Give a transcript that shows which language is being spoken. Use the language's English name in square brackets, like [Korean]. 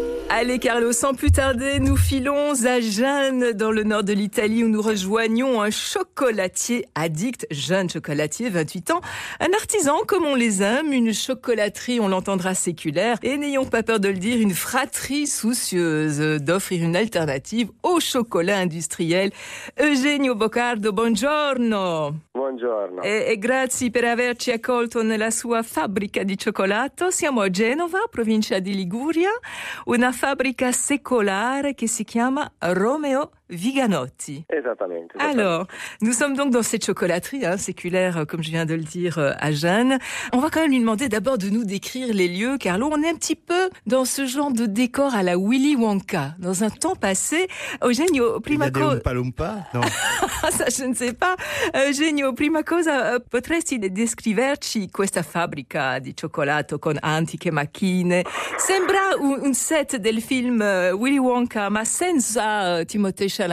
[French] Allez Carlo, sans plus tarder, nous filons à Gênes dans le nord de l'Italie où nous rejoignons un chocolatier addict, jeune chocolatier, 28 ans, un artisan comme on les aime, une chocolaterie, on l'entendra séculaire, et n'ayons pas peur de le dire, une fratrie soucieuse d'offrir une alternative au chocolat industriel. [Italian] Eugenio Boccardo, buongiorno. Buongiorno. E grazie per averci accolto nella sua fabbrica di cioccolato. Siamo a Genova, provincia di Liguria, una fabbrica secolare che si chiama Romeo Viganotti. [French] Exactement. Alors, nous sommes donc dans cette chocolaterie séculaire, comme je viens de le dire à Gênes. On va quand même lui demander d'abord de nous décrire les lieux, car là, on est un petit peu dans ce genre de décor à la Willy Wonka, dans un temps passé. [Italian] Eugenio, prima cosa. [French] Il y a des Oompa-Loompa, non? Ça, je ne sais pas. [Italian] Eugenio, prima cosa, potresti descriverci questa fabbrica di cioccolato con antiche macchine? Sembra un set del film Willy Wonka, ma senza Timothée